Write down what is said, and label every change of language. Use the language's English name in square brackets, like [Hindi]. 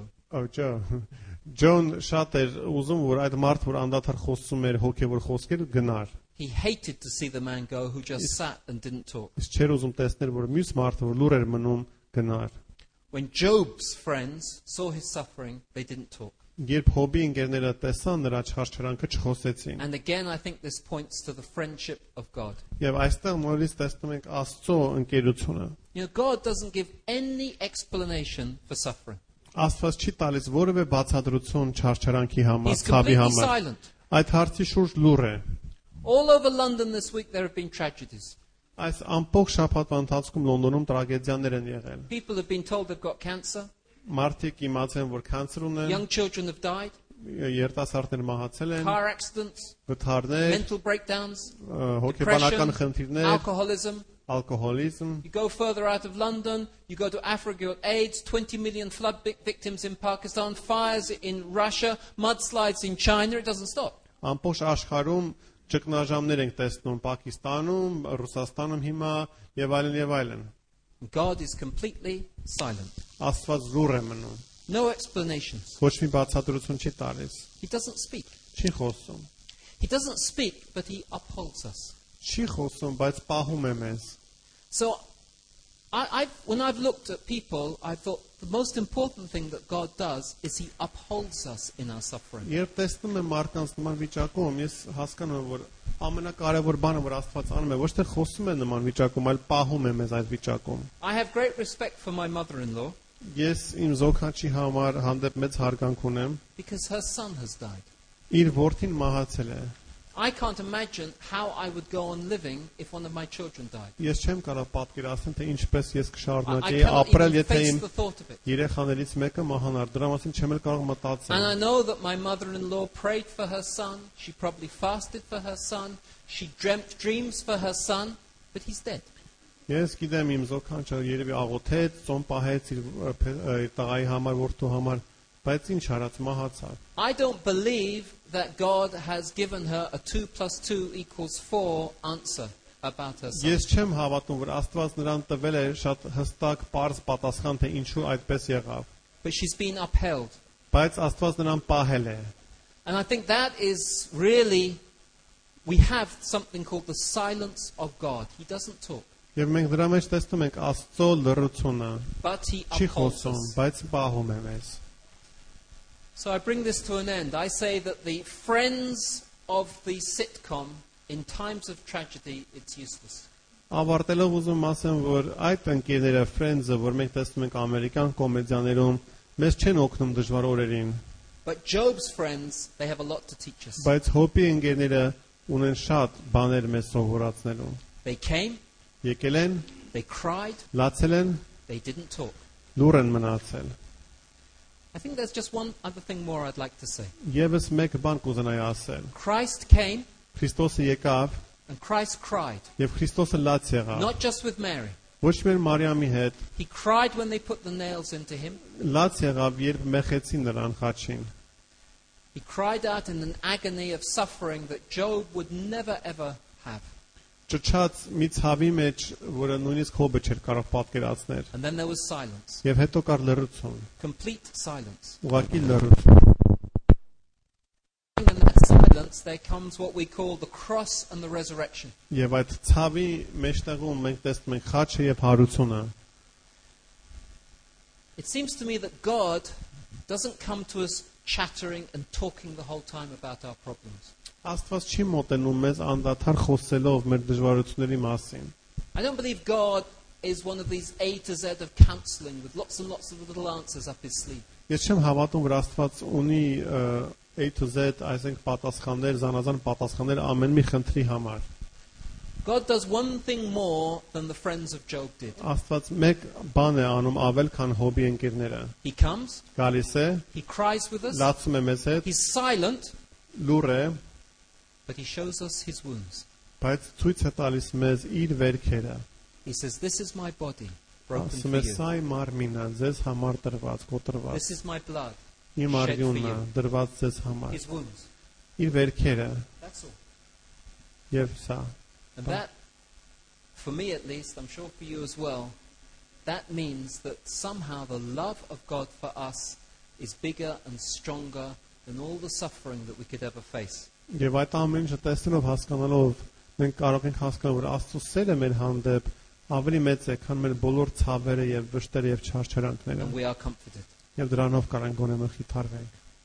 [Armenian] John շատ էր ուզում որ այդ մարդ որ անդադար խոսում էր հոգևոր խոսքեր գնար. [English] He hated to see the man go who just sat and didn't talk. [Armenian] Ես չեր ուզում տեսնել որ մյուս մարդը որ լուր էր մնում գնար. [English] When Job's friends saw his suffering, they didn't talk. [Armenian] Երբ հոբի ընկերները տեսան նրա չարչարանքը չխոսեցին. [English] And again I think this points to the friendship of God. [Armenian] Եվ այստեղ նորից տեսնում ենք Աստծո ընկերությունը. [English] You know, God doesn't give any explanation for suffering. [Armenian] Աստված չի տալիս որևէ բացատրություն չարչարանքի համար, ցավի համար. Այդ հարցի շուրջ լուր է. [English] All over London this week there have been tragedies. [Armenian] Այս ամբողջ շաբաթվա ընթացքում Լոնդոնում տրագեդիաներ են եղել. [English] People have been told they've got cancer. [Armenian] Մարդիկ իմացել են, որ կանցեր ունեն. [English] Young children have died. [Armenian] Երիտասարդներ մահացել են. [English] Car accidents. [Armenian] Վթարներ. [English] Mental breakdowns. [Armenian] Հոգեբանական խնդիրներ. [English] Alcoholism. [Armenian] Alcoholism. [English] You go further out of London, you go to Africa, AIDS, 20 million flood victims in Pakistan, fires in Russia, mudslides in China, it doesn't stop. [Armenian] Ամբողջ աշխարհում ճգնաժամներ ենք տեսնում Պակիստանում, Ռուսաստանում հիմա եւ այլն եւ այլն. [English] God is completely silent. [Armenian] Աստված զուր է մնում. [English] No explanations. [Armenian] Ոչ մի բացատրություն չի տալիս. [English] He doesn't speak. [Armenian] Չի խոսում. [English] He doesn't speak, but he upholds us. [Armenian] Չի խոսում, բայց պահում է մեզ. [English] So when I've looked at people, I thought the most important thing that God does is he upholds us in our suffering. [Armenian] Երբ տեսնում եմ մարդկանց նման վիճակում, ես հասկանում եմ, որ ամենակարևոր բանը, որ Աստված անում է, ոչ թե խոսում է նման վիճակում, այլ պահում է մեզ այդ վիճակում։ [English] I have great respect for my mother-in-law. [Armenian] Ես իմ զոհքի համար հանդեպ մեծ հարգանք ունեմ։ [English] Because her son has died. [Armenian] Իր որդին մահացել է։ [English] I can't imagine how I would go on living if one of my children died. [Armenian] Ես չեմ կարող պատկերացնել, թե ինչպես ես կշարունակեի ապրել, եթե իմ երեխաներից մեկը մահանար, դրա մասին չեմ էլ կարող մտածել. [English] And I know that my mother-in-law prayed for her son, she probably fasted for her son, she dreamt dreams for her son, but he's dead. [Armenian] Ես գիտեմ իմ զոհքը երևի աղոթեց, ծոն պահեց իր տղայի համար, որդու համար, բայց ինչ արած մահացավ. [English] I don't believe that God has given her a 2 plus 2 equals 4 answer about her son. [Armenian] Ես չեմ հավատում, որ Աստված նրան տվել է շատ հստակ պարզ պատասխան, թե ինչու այդպես եղավ. [English] But she's been upheld. [Armenian] Բայց Աստված նրան պահել է. [English] And I think that is really we have something called the silence of God. He doesn't talk. [Armenian] Եվ մենք դրա մեջ տեսնում ենք Աստծո լռությունը. [English] But he upholds. [Armenian] Չի խոսում, բայց պահում է մեզ. [English] So I bring this to an end. I say that the friends of the sitcom in times of tragedy it's useless. [Armenian] Ավարտելով ուզում ասեմ, որ այդ ընկերները friends-ը, որ մենք տեսնում ենք ամերիկյան կոմեդիաներում, մեզ չեն օգնում դժվար օրերին. [English] But Job's friends, they have a lot to teach us. [Armenian] Բայց Հոբի ընկերները ունեն շատ բաներ մեզ սովորացնելու. [English] They came. [Armenian] Եկել են. [English] They cried. [Armenian] Լացել են. [English] They didn't talk. [Armenian] Լուր են մնացել. [English] I think there's just one other thing more I'd like to say. [Armenian] Եվս մեկ բան կուզենայի ասել. [English] Christ came. [Armenian] Քրիստոսը եկավ. [English] And Christ cried. [Armenian] Եվ Քրիստոսը լաց եղավ. [English] Not just with Mary. [Armenian] Ոչ միայն Մարիամի հետ. [English] He cried when they put the nails into him. [Armenian] Լաց եղավ, երբ մեխեցին նրան խաչին. [English] He cried out in an agony of suffering that Job would never ever have. [Armenian] Ճչաց մի ցավի մեջ, որը նույնիսկ Հոբը չէր կարող պատկերացնել։ [English] And then there was silence. [Armenian] Եվ հետո կար լռություն։ [English] Complete silence. [Armenian] Ուղղակի լռություն։ [English] In that silence there comes what we call the cross and the resurrection. [Armenian] Եվ այդ ցավի մեջտեղում մենք տեսնում ենք խաչը եւ հարությունը։ [English] It seems to me that God doesn't come to us chattering and talking the whole time about our problems. [Armenian] Աստված չի մոտենում մեզ անդադար խոսելով մեր դժվարությունների մասին։ [English] I don't believe God is one of these A to Z of counseling with lots and lots of little answers up his sleeve. [Armenian] Ես չեմ հավատում, որ Աստված ունի [English] A to Z, [Armenian] այսինքն պատասխաններ, զանազան պատասխաններ ամեն մի խնդրի համար. [English] God does one thing more than the friends of Job did. [Armenian] Աստված մեկ բան է անում ավել, քան հոբի ընկերները. [English] He comes. [Armenian] Գալիս է. [English] He cries with us. [Armenian] Լացում է մեզ հետ. [English] He's silent. [Armenian] Լուր է. [English] But he shows us his wounds. [Armenian] Բայց ցույց է տալիս մեզ իր վերքերը. [English] He says, "This is my body." This is my blood. Shed for you. His wounds. That's all. And that, for me at least, I'm sure for you as well, that means that somehow the love of God for us is bigger and stronger than all the suffering that we could ever face. [Armenian] Եվ այդ ամեն ինչը տեսնելով, հասկանալով, մենք կարող ենք հասկանալ, որ Աստծո սերը մեր հանդեպ ավելի մեծ է, քան մեր բոլոր ցավերը եւ վշտերը եւ չարչարանքները։ [English] And we are comforted. [Armenian] Եվ դրանով կարող ենք գոնե մենք հիթարվենք։